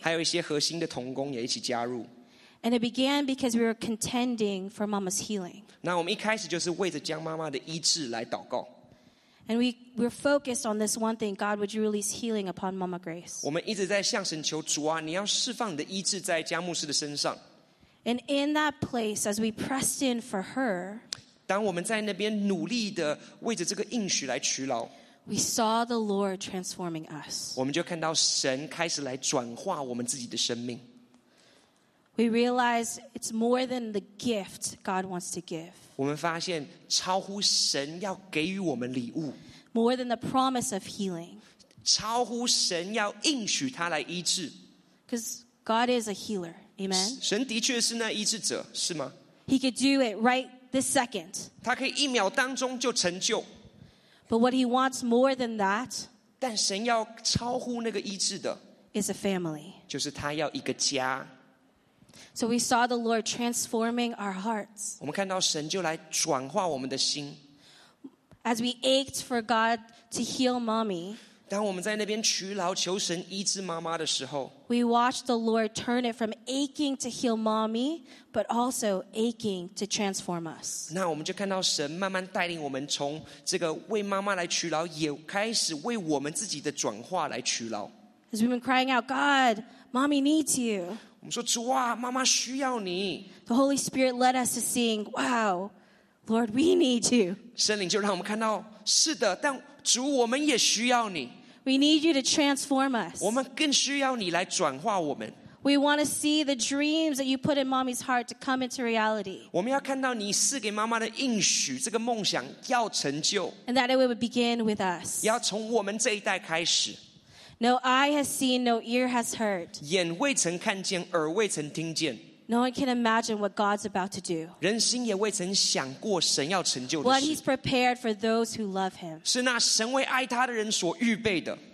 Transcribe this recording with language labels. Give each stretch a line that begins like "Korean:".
Chinese: 还有一些核心的同工也一起加入。
English: And it began because we were contending for Mama's healing.
Chinese: 那我们一开始就是为着将妈妈的医治来祷告。
English: And we were focused on this one thing: God, would you release healing upon Mama Grace?
Chinese: 我们一直在向神求主啊，你要释放你的医治在佳牧师的身上。
English: And in that place, as we pressed in for her,
Chinese: 当我们在那边努力的为着这个应许来取劳。
English: We saw the Lord transforming us.
Chinese: 我们就看到神开始来转化我们自己的生命。
English: We realize it's more than the gift God wants to give.
Chinese: 我们发现超乎神要给予我们礼物。
English: More than the promise of healing.
Chinese: 超乎神要应许他来医治。
English: Because God is a healer, amen.
Chinese: 神的确是那医治者，是吗？
English: He could do it right this second.
Chinese: 他可以一秒当中就成就。
English: But what he wants more than that,
Chinese: 但神要超乎那个医治的,
English: is a family.
Chinese: 就是他要一个家。
English: So we saw the Lord transforming our hearts.
Chinese: 我们看到神就来转化我们的心。
English: As we ached for God to heal mommy,
Chinese: 当我们在那边取劳求神医治妈妈的时候,
English: we watched the Lord turn it from aching to heal mommy, but also aching to transform us.
Chinese: 那我们就看到神慢慢带领我们从这个为妈妈来取劳, 也开始为我们自己的转化来取劳。
English: As we've been crying out, God, mommy needs you.
Chinese: 我们说主啊, 妈妈需要你。
English: The Holy Spirit led us to sing, wow, Lord, we need you.
Chinese: 圣灵就让我们看到, 是的, 但主我们也需要你。
English: We need you to transform us.
Chinese: 我们更需要你来转化我们。
English: We want to see the dreams that you put in mommy's heart to come into reality.
Chinese: 我们要看到你赐给妈妈的应许, 这个梦想要成就。
English: And that it would begin with us.
Chinese: 要从我们这一代开始。
English: No eye has seen, no ear has heard.
Chinese: 眼未曾看见, 耳未曾听见。
English: No one can imagine what God's about to do.
Chinese: 人心也未曾想过神要成就的事。
English: What he's prepared for those who love him.
Chinese: 是那神为爱他的人所预备的。